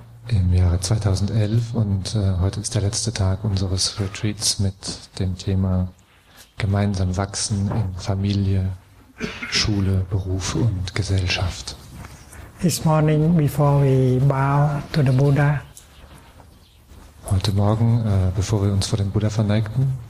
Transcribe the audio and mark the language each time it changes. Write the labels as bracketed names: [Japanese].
[German] Im Jahre 2011 und heute ist der letzte Tag unseres Retreats mit dem Thema gemeinsam wachsen in Familie, Schule, Beruf und Gesellschaft. [English] This morning before we bow to the Buddha. [German] Heute Morgen, bevor wir uns vor dem Buddha verneigten.